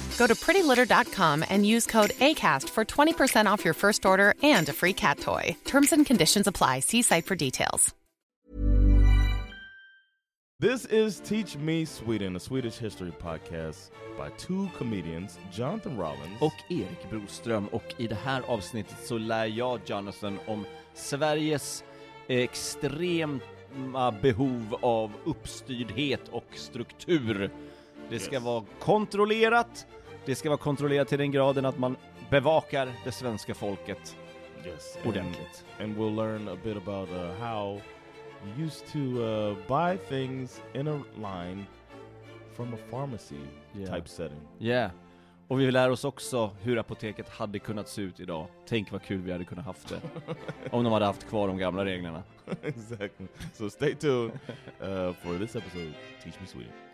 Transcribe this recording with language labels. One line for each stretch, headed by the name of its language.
English: Go to prettylitter.com and use code ACAST for 20% off your first order and a free cat toy. Terms and conditions apply. See site for details. This is Teach Me Sweden, a Swedish history podcast by two comedians, Jonathan Rollins
Swedish: och Erik Broström. Och i det här avsnittet så lär jag Jonathan om Sveriges extrema behov av uppstyrdhet och struktur. Det ska vara kontrollerat. Det ska vara kontrollerat till den graden att man bevakar det svenska folket ordentligt.
English: And we'll learn a bit about how used to buy things in a line from a pharmacy type setting. Yeah.
Swedish: Och vi lär oss också hur apoteket hade kunnat se ut idag. Tänk vad kul vi hade kunnat haft det. Om de hade haft kvar de gamla reglerna.
English: Exactly. So stay tuned for this episode of Teach Me Sweden.